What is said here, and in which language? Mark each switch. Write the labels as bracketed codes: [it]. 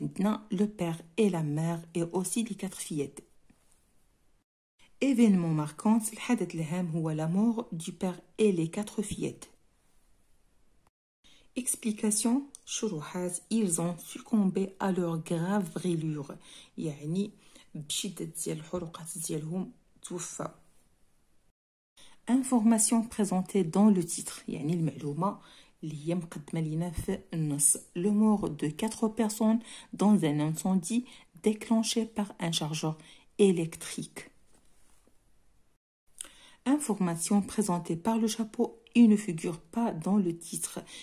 [fr] Maintenant, le père et la mère et aussi les quatre fillettes. Événement marquant, [ar] الحدث الهام هو [fr] la mort du père et les quatre fillettes. Explication, شروحات, ils ont succombé à leur grave brûlure. [ar] يعني بشدة ديال الحروقات ديالهم توفى. [fr] Information présentée dans le titre, [ar] يعني المعلومة اللي هي مقدمة لينا في النص. [fr] Le mort de quatre personnes dans un incendie déclenchée par un chargeur électrique. Information présentée par le chapeau et ne figure pas dans le titre.